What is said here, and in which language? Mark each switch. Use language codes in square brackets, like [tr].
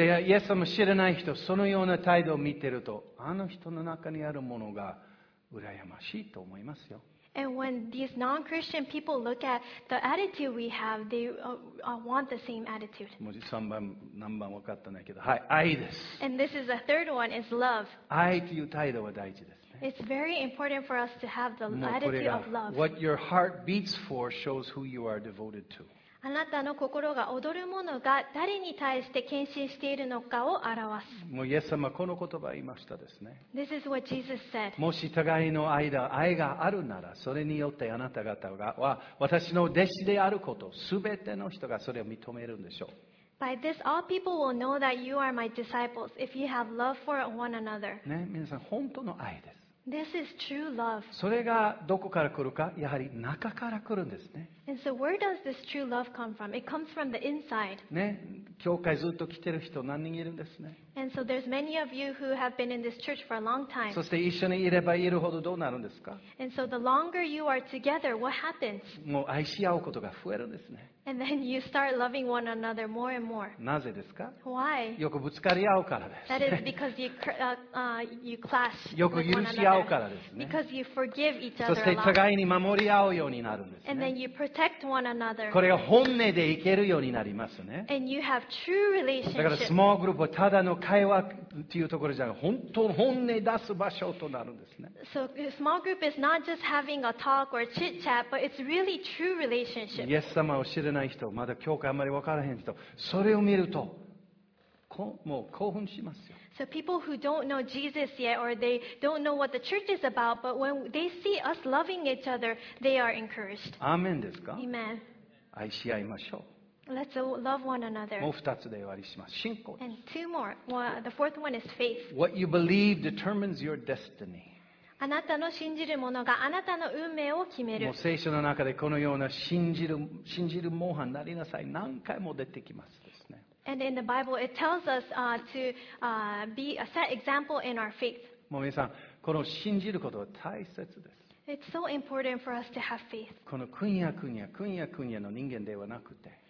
[ja] で、イエス様知らない人、そのような態度を見てると、あの人の中にあるものが羨ましいと思いますよ。 [en] And when these non-Christian people look at the attitude we have, they want the same attitude. [ja] 3番、何番分かったんだけど、はい、愛です。 [en] And this is the third one, is love. [ja] 愛という態度は大事ですね。 [en] It's very important for us to have the attitude of love. What your heart beats for shows who you are devoted to. [ja] あなたの心が踊るものが誰に対して献身しているのかを表す。もうイエス様この言葉を言いましたですね。 [en] This is what Jesus said. [ja] もし互いの間、愛があるなら、それによってあなた方は私の弟子であること、すべての人がそれを認めるんでしょう。 [en] By this, all people will know that you are my disciples if you have love for one another. [ja] ね、皆さん本当の愛です。 [en] This is true love. [ja] それがどこから来るか、やはり中から来るんですね。 [en] And so where does this true love come from? It comes from the inside. [ja] ね、教会ずっと来てる人何人いるんですね。 [en] And so there's many of you who have been in this church for a long time. [ja] そして一緒にいればいるほどどうなるんですか? [en] And so the longer you are together, what happens? [ja] もう愛し合うことが増えるんですね。 [en] And then you start loving one another more and more. [ja] なぜですか? [en] Why? [ja] よくぶつかり合うからです。 [en] That is because you, you clash [ja] よく許し合うからですね。 [en] Because you forgive each other [ja] そして互いに守り合うようになるんですね。 [en] And then you protect one another. [ja] これが本音でいけるようになりますね。 [en] And you have true relationship. [ja] だから small group はただの会話っていうところじゃなくて、本当の本音出す場所となるんですね。 [en] So small group is not just having a talk or chit chat, but it's really true relationship. [ja] イエス様を知れない人、まだ教会あんまり分からへん人、それを見るとこうもう興奮しますよ。 [en] So people who don't know Jesus yet or they don't know what the church is about, but when they see us loving each other, they are encouraged. [ja] アーメンですか? [en] Amen. [ja] 愛し合いましょう。 [en] Let's love one another. [ja] もう二つで終わりします。信仰です。 [en] And two more. Well, the fourth one is faith. What you believe determines your destiny. [ja] あなたの信じるものがあなたの運命を決める。もう聖書の中でこのような信じる模範になりなさい。何回も出てきますですね。 [en] And in the Bible, it tells us to be a set example in our faith. [ja] もう皆さん、この信じることは大切です。 [en] It's so important for us to have faith. [ja] この君や君や君や君やの人間ではなくて。